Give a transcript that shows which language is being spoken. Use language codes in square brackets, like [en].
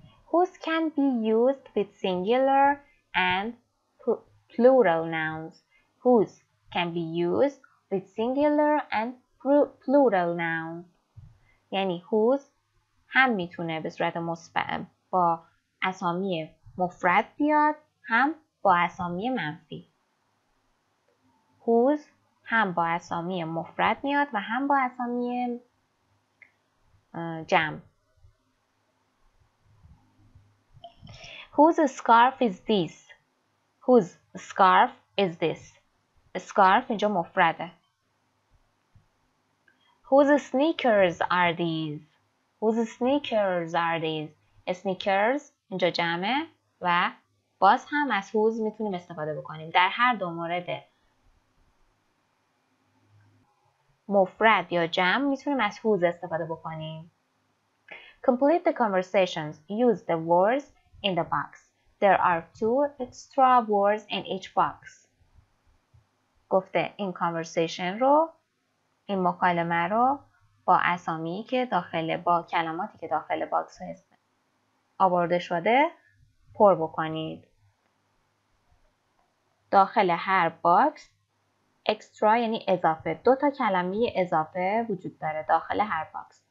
[en] Whose can be used with singular and plural nouns? Whose can be used with singular and plural nouns? [fa] یعنی whose هم میتونه به صورت مثبت با اسامی مفرد بیاد، هم با اسامی منفی. Whose هم با اسامی مفرد میاد و هم با اسامی جمع. [en] Whose scarf is this? Whose scarf is this? [fa] Scarf اینجا مفرده. [en] Whose sneakers are these? Whose sneakers are these? [fa] Sneakers اینجا جمعه و باز هم از whose میتونیم استفاده بکنیم. در هر دو مورد مفرد یا جمع میتونیم از whose استفاده بکنیم. [en] Complete the conversations. Use the words in the box. There are two extra words in each box. [fa] گفته این conversation رو، این مکالمه رو با اسامی که داخل با کلماتی که داخل باکس هست آورده شده پر بکنید. داخل هر باکس extra یعنی اضافه، دو تا کلمه اضافه وجود داره داخل هر باکس.